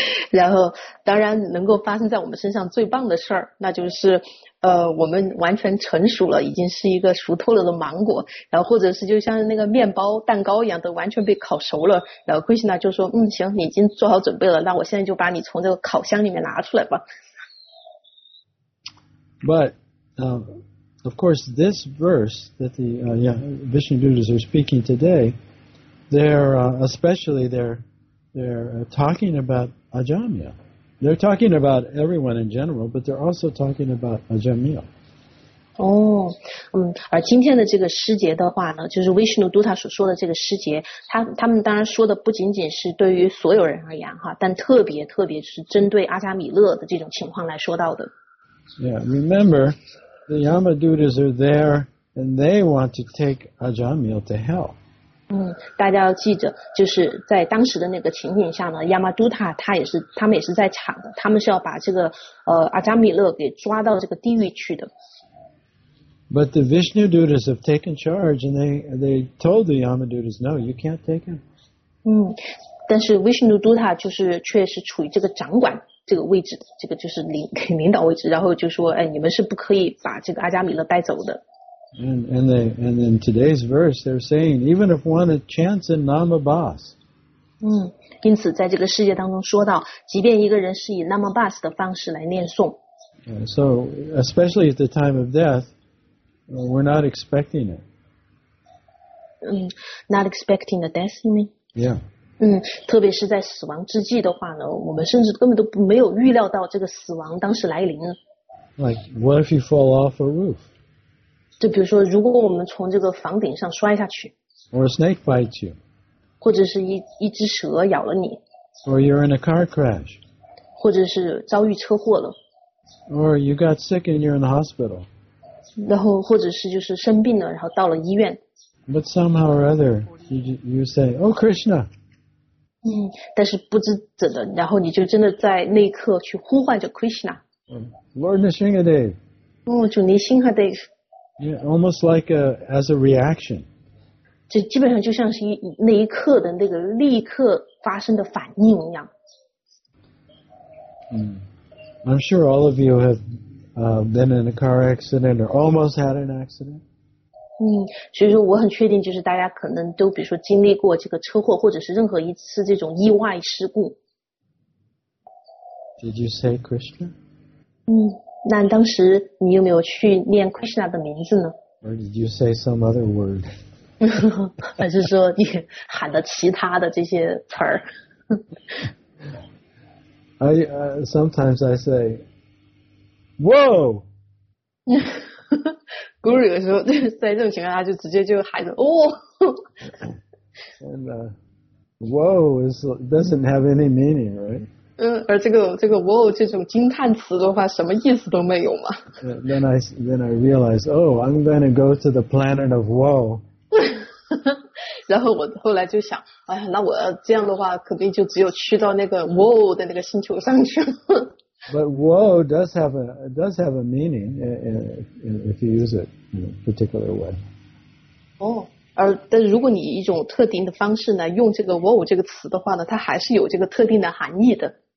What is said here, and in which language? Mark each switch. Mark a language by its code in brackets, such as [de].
[zh] 然后，当然能够发生在我们身上最棒的事儿，那就是，我们完全成熟了，已经是一个熟透了的芒果，然后或者是就像那个面包、蛋糕一样的，完全被烤熟了。然后奎西娜就说：“行，你已经做好准备了，那我现在就把你从这个烤箱里面拿出来吧。” [en] But, of course, this verse that the Vishnugurus are speaking today, they're talking about Ajamya. They're talking about everyone in general, but they're also talking about Ajamya. [zh] Oh, 而今天的这个诗节的话呢，就是 Vishnu Dutta 所说的这个诗节，他们当然说的不仅仅是对于所有人而言哈，但特别是针对阿加米勒的这种情况来说到的。 [en] Yeah, remember, the Yamadutas are there and they want to take Ajamya to hell. [zh] 大家要记着，就是在当时的那个情景下呢，亚玛都塔他们也是在场的，他们是要把这个阿扎米勒给抓到这个地狱去的。 [en] But the Vishnu Dutas have taken charge and they told the Yama Dutas, no, you can't take him. [zh] 但是 Vishnu Dutta 就是确实处于这个掌管这个位置，这个就是领导位置，然后就说，你们是不可以把这个阿扎米勒带走的。 [en] And in today's verse, they're saying, even if one chants in Nama Bas. [zh] 因此在这个世界当中说到，即便一个人是以 Nama Bas 的方式来念诵。 [en] So, especially at the time of death, we're not expecting it. Not expecting the death, you mean? Yeah. [zh] 特别是在死亡之际的话呢，我们甚至根本都没有预料到这个死亡当时来临。 [en] Like, what if you fall off a roof? [zh] 就比如说，如果我们从这个房顶上摔下去 [en] ，or a snake bites you， [zh] 或者是一只蛇咬了你 [en] ，or you're in a car crash， [zh] 或者是遭遇车祸了 [en] ，or you got sick and you're in the hospital， [zh] 然后或者是就是生病了，然后到了医院 [en] ，but somehow or other you say， oh Krishna， [zh] 但是不知怎的，然后你就真的在那一刻去呼唤着 [en] Krishna，Lord Nrisimhadev， [zh] 主尼辛哈 Dev。 [en] Yeah, almost like as a reaction. [zh] 这基本上就像是那一刻的那个立刻发生的反应一样。 [en] I'm sure all of you have been in a car accident or almost had an accident. [zh] 所以说我很确定就是大家可能都比如说经历过这个车祸或者是任何一次这种意外事故。 [en] Did you say Krishna? [zh] 那当时你有没有去念 Krishna 的名字呢？ [en] Or did you say some other word? [zh] 还是说你喊的其他的这些词儿？ [en] Sometimes I say, whoa! [zh] Guru 有时候在这种情况下就直接就喊着 [en] 哦。And whoa doesn't have any meaning, right? [zh] 而这个 wow 这种惊叹词的话，什么意思都没有嘛。 [en] Then I realize, oh, I'm going to go to the planet of wow. [zh] 然后我后来就想，哎呀，那我这样的话，肯定就只有去到那个 wow 的那个星球上去了。 [en] But wow does have a meaning if you use it in a particular way. [zh] 但如果你以一种特定的方式呢，用这个 wow 这个词的话呢，它还是有这个特定的含义的。